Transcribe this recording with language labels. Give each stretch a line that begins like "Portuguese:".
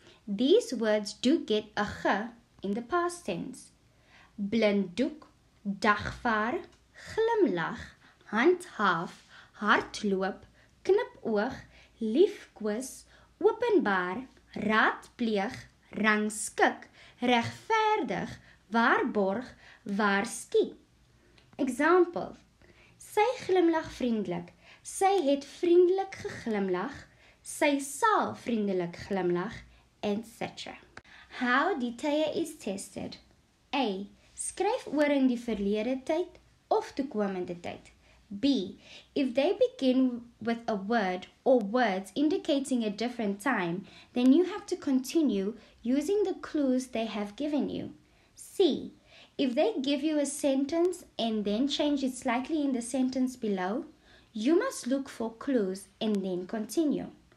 English: These words do get a g in the past tense.
Afrikaans: Blinddoek, dagvaar, glimlag, handhaaf, hardloop, knipoog, liefkoos, openbaar, raadpleeg, rangskik, regverdig, waarborg, waarskie. Example. Sy glimlag vriendelik. Sy het vriendelik geglimlag. Sy sal vriendelik glimlag, etc.
English: How die tye is tested. A.
Afrikaans: Skryf oor in die verlede tyd of toekomende tyd. B.
English: If they begin with a word or words indicating a different time, then you have to continue using the clues they have given you. C. If they give you a sentence and then change it slightly in the sentence below, you must look for clues and then continue.